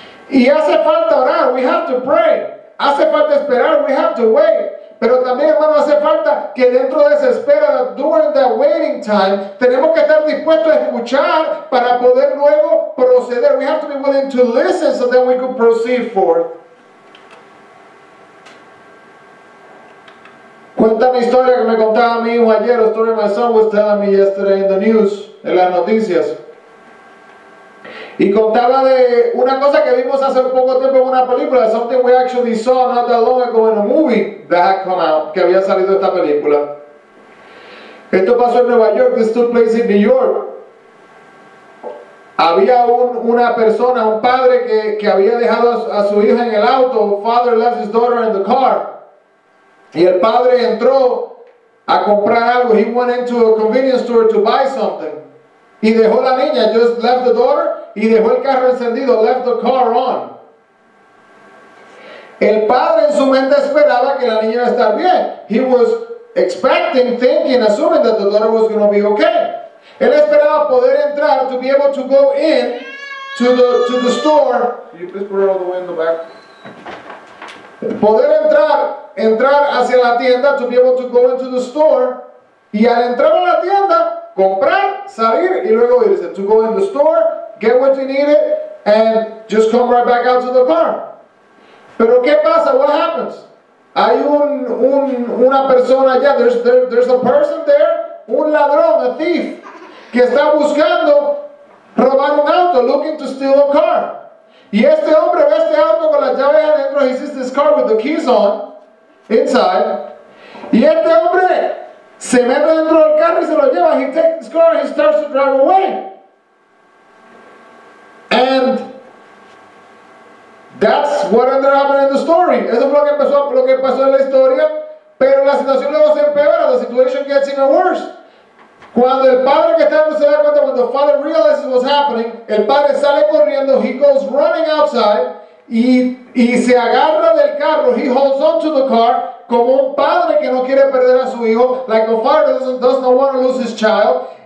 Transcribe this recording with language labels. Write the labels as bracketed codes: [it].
[es] Y hace falta orar, [en] we have to pray. [es] Hace falta esperar, [en] we have to wait. [es] Pero también, hermano, hace falta que dentro de esa espera, [en] during that waiting time, [es] tenemos que estar dispuestos a escuchar para poder luego proceder. [en] We have to be willing to listen so that we could proceed forth. [es] Cuenta mi historia que me contaba mi hijo ayer. [en] A story my son was telling me yesterday in the news, [es] en las noticias. Y contaba de una cosa que vimos hace un poco tiempo en una película, [en] something we actually saw not that long ago in a movie that had come out, [es] que había salido esta película. Esto pasó en Nueva York. [en] This took place in New York. [es] Había una persona, un padre que había dejado a su hija en el auto. [en] Father left his daughter in the car. [es] Y el padre entró a comprar algo. [en] He went into a convenience store to buy something. [es] Y dejó la niña, [en] just left the door, [es] y dejó el carro encendido, [en] left the car on. [es] El padre en su mente esperaba que la niña iba a estar bien. [en] He was expecting, thinking, assuming that the daughter was going to be okay. [es] Él esperaba poder entrar, [en] to be able to go in to the store. Can you please put it all the way in the back? [es] Poder entrar hacia la tienda, [en] to be able to go into the store, [es] y al entrar a la tienda, comprar, salir, y luego irse. [en] To go in the store, get what you needed, and just come right back out to the car. [es] Pero ¿qué pasa? [en] What happens? [es] Hay una persona allá, [en] there's a person there, [es] un ladrón, [en] a thief, [es] que está buscando robar un auto, [en] looking to steal a car. [es] Y este hombre ve este auto con las llaves adentro, he sees this car with the keys on, inside. Y este hombre se mete dentro del carro y se lo lleva. [en] He takes his car and he starts to drive away. And that's what ended up happening in the story. [es] Eso fue lo que pasó en la historia. Pero la situación luego se empeora. [en] The situation gets even worse. [es] Cuando el padre que está se da cuenta, [en] when the father realizes what's happening, [es] el padre sale corriendo, [en] he goes running outside, [es] y se agarra del carro, [en] he holds on to the car, [es] como un padre que no quiere perder a su hijo, [en] like a father that does not want to lose his child,